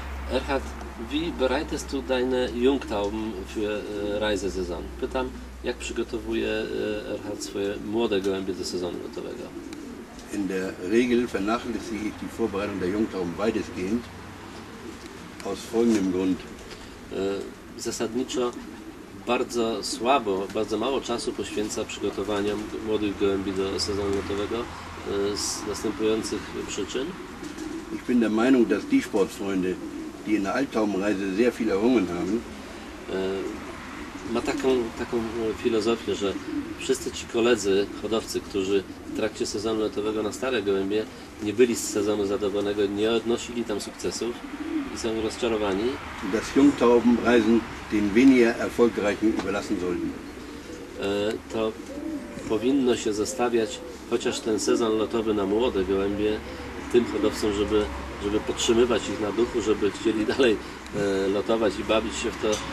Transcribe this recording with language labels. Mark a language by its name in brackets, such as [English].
[German] Erhard, wie bereitest du deine Jungtauben für Reisesaison? [Polish] Pytam, jak przygotowuje Erhard swoje młode gołębie do sezonu gotowego? [German] In der Regel vernachlässige ich die Vorbereitung der Jungtauben weitestgehend aus folgendem Grund. [Polish] Zasadniczo bardzo słabo, bardzo mało czasu poświęca przygotowaniom młodych gołębi do sezonu lotowego z następujących przyczyn. [German] Ich bin der Meinung, dass die Sportfreunde, die in der Altaubenreise sehr viel errungen haben, [Polish] ma taką filozofię, że wszyscy ci koledzy hodowcy, którzy w trakcie sezonu lotowego na stare gołębie nie byli z sezonu zadowolonego, nie odnosili tam sukcesów i są rozczarowani. [German] Dass Jungtaubenreisen den weniger erfolgreichen überlassen sollten. [Polish] To powinno się zostawiać chociaż ten sezon lotowy na młode gołębie tym hodowcom, żeby podtrzymywać ich na duchu, żeby chcieli dalej lotować i bawić się w to.